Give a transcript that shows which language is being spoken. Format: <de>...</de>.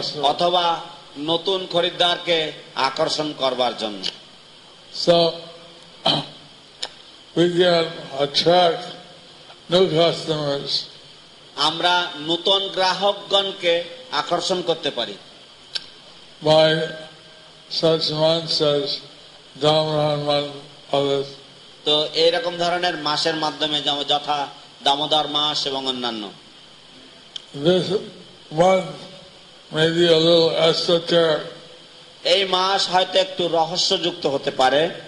<bn>অথবা নতুন খরিদ্দারকে আকর্ষণ করবার জন্য। So.</bn> <en>We can attract new customers.</en> <bn>আমরা নতুন গ্রাহকগণকে আকর্ষণ করতে পারি।</bn> <en>By such months as Damodaran month, others.</en> <bn>তো এরকম ধরনের মাসের মাধ্যমে যেমন যথা দামোদর মাস এবং অন্যান্য।</bn> <en>This month may be a little esoteric.</en> <bn>এই মাস হয়তো একটু রহস্যযুক্ত হতে পারে।</bn>